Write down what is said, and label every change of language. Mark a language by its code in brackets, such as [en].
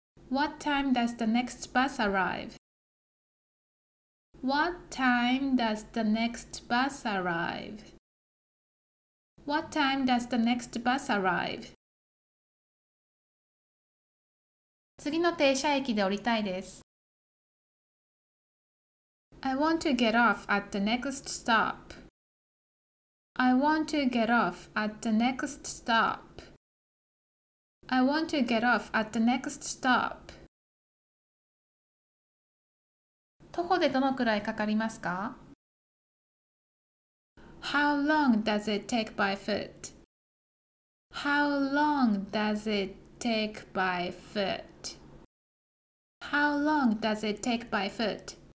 [en] What time does the next bus arrive? What time does the next bus arrive? What time does the next bus arrive? [ja] 次の停車駅で降りたいです。 [en] I want to get off at the next stop. I want to get off at the next stop. I want to get off at the next stop. [ja] 徒歩でどのくらいかかりますか? [en] How long does it take by foot? How long does it take by foot? How long does it take by foot?